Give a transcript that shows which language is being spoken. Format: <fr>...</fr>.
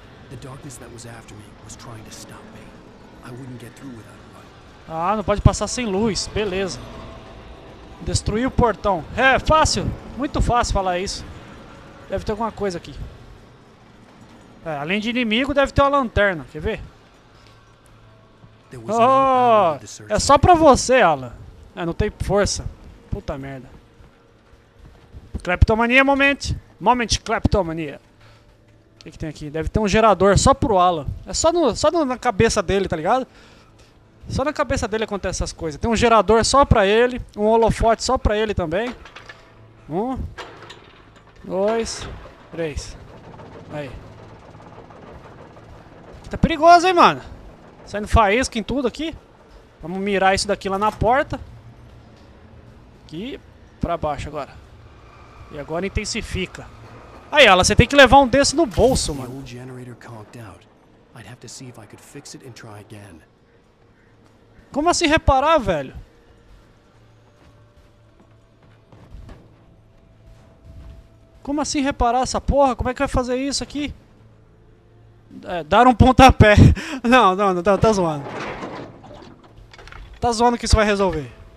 <en>The darkness that was after me was trying to stop me. I wouldn't get through without a light.</en> <pt>Ah, não pode passar sem luz. Beleza. Destruir o portão. É, fácil. Muito fácil falar isso. Deve ter alguma coisa aqui. É, além de inimigo, deve ter uma lanterna. Quer ver? Oh, é só pra você, Alan. É, não tem força. Puta merda.</pt> <en>Kleptomania moment. Moment kleptomania.</en> <pt>O que, que tem aqui? Deve ter um gerador só pro Alan. É só na cabeça dele, tá ligado? Só na cabeça dele acontecem essas coisas. Tem um gerador só pra ele. Um holofote só pra ele também. Um. Dois. Três. Aí. Tá perigoso, hein, mano? Saindo faísca em tudo aqui. Vamos mirar isso daqui lá na porta. Aqui. Pra baixo agora. E agora intensifica. Aí, Alan, você tem que levar um desse no bolso, mano.</pt> <en>O generador conked out. I'd have to see if I could fix it and try again.</en> <pt>Como assim reparar, velho? Como assim reparar essa porra? Como é que vai fazer isso aqui? É, dar um pontapé. Não, não, não, tá zoando. Tá zoando que isso vai resolver.</pt>